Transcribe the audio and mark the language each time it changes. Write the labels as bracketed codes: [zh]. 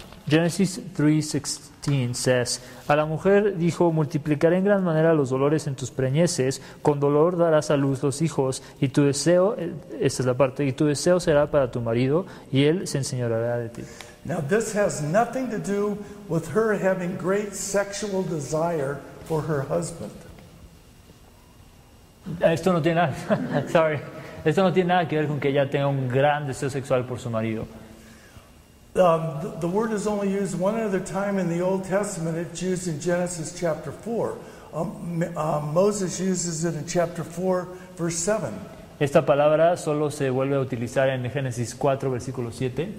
[en] Genesis 3:16 says, [es] a la mujer dijo, multiplicaré en gran manera los dolores en tus preñeces, con dolor darás a luz los hijos, y tu deseo, esta es la parte, y tu deseo será para tu marido, y él se enseñoreará de ti. [en] Now this has nothing to do with her having great sexual desire for her husband. [es] Esto no tiene nada, sorry. Esto no tiene nada que ver con que ella tenga un gran deseo sexual por su marido. [en] The word is only used one other time in the Old Testament. It's used in Genesis chapter 4. Moses uses it in chapter 4, verse 7. [es] Esta palabra solo se vuelve a utilizar en Génesis 4, versículo 7.